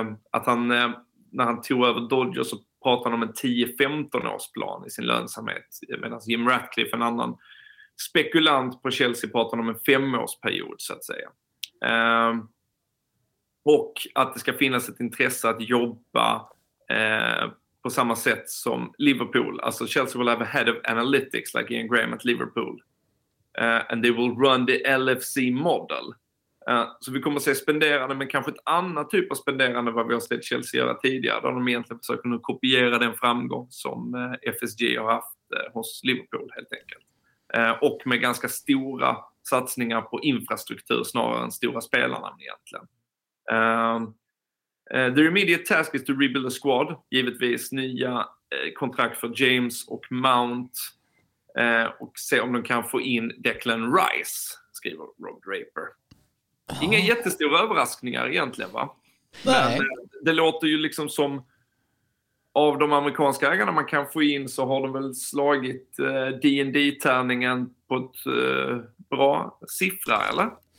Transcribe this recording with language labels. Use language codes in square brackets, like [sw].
[sv] Att han, när han tog över Dodgers, så pratade han om en 10-15 års plan i sin lönsamhet, medan Jim Ratcliffe, en annan spekulant på Chelsea, pratade om en 5-årsperiod, så att säga. Och att det ska finnas ett intresse att jobba på samma sätt som Liverpool. [en] Alltså, Chelsea will have a head of analytics like Ian Graham at Liverpool. And they will run the LFC model. [sv] Så vi kommer att se spenderande, men kanske ett annat typ av spenderande vad vi har sett Chelsea göra tidigare. Där de egentligen försöker nu kopiera den framgång som FSG har haft hos Liverpool, helt enkelt. Och med ganska stora satsningar på infrastruktur snarare än stora spelarna egentligen. [en] The immediate task is to rebuild the squad. [sv] Givetvis nya kontrakt för James och Mount. Och se om de kan få in Declan Rice, skriver Rob Draper. Inga jättestora överraskningar egentligen, va? Nej. Men det låter ju liksom som, av de amerikanska ägarna man kan få in, så har de väl slagit D&D-tärningen på ett bra siffra, eller?